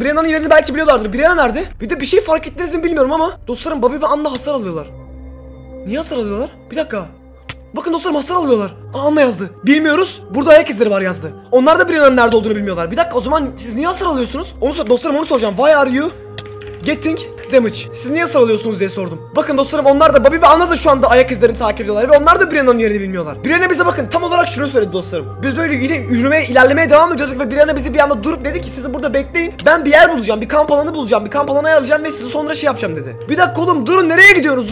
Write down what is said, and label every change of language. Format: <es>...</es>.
<tr>Brianna'nın yerini belki biliyorlardır. Brianna nerede? Bir de bir şey fark ettiniz mi bilmiyorum ama dostlarım Bobby ve Anna hasar alıyorlar. Niye hasar alıyorlar? Bir dakika. Bakın dostlarım hasar alıyorlar. Anna yazdı. Bilmiyoruz. Burada ayak izleri var yazdı. Onlar da Brianna'nın nerede olduğunu bilmiyorlar. Bir dakika, o zaman siz niye hasar alıyorsunuz? Dostlarım onu soracağım.</tr> <en>Why are you getting damage?</en> <tr>Siz niye hasar alıyorsunuz diye sordum. Bakın dostlarım onlar da, Bobby ve Anna da şu anda ayak izlerini takip ediyorlar. Ve onlar da Brianna'nın yerini bilmiyorlar. Brianna bize bakın tam olarak şunu söyledi dostlarım. Biz böyle ilerlemeye devam ediyorduk. Ve Brianna bizi bir anda durup dedi ki sizi burada bekleyin. Ben bir yer bulacağım. Bir kamp alanı bulacağım. Bir kamp alanı ayarlayacağım ve sizi sonra şey yapacağım dedi. Bir dakika oğlum durun, nereye gidiyorsunuz?</tr>